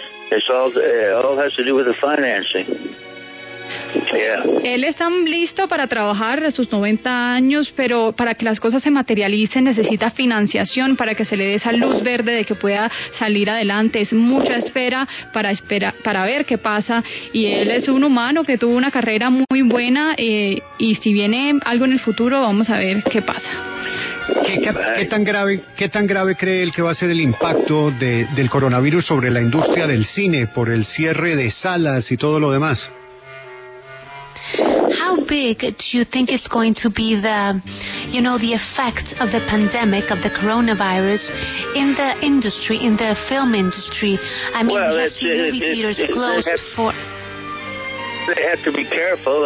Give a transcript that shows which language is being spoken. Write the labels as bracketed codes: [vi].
[en] It's all has to do with the financing. Yeah. [es] Él está listo para trabajar a sus 90 años, pero para que las cosas se materialicen necesita financiación para que se le dé esa luz verde de que pueda salir adelante. Es mucha espera para ver qué pasa. Y él es un humano que tuvo una carrera muy buena y si viene algo en el futuro vamos a ver qué pasa. ¿Qué tan grave cree él que va a ser el impacto del coronavirus sobre la industria del cine por el cierre de salas y todo lo demás? [en] How big do you think it's going to be the effect of the pandemic, of the coronavirus, in the industry, in the film industry? I mean, well, we have seen movie theaters closed for... They have to be careful.